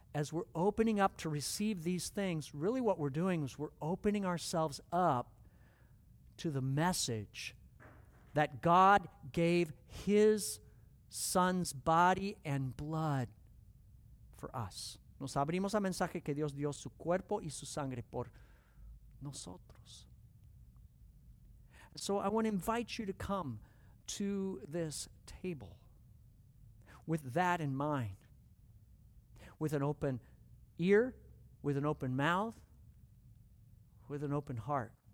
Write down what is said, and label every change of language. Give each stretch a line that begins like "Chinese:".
English: As we're opening up to receive these things, really what we're doing is we're opening ourselves up to the message that God gave His Son's body and blood for us.
Spanish: Nos abrimos al mensaje que Dios dio su cuerpo y su sangre por nosotros.
English: So I want to invite you to come to this table with that in mind, with an open ear, with an open mouth, with an open heart.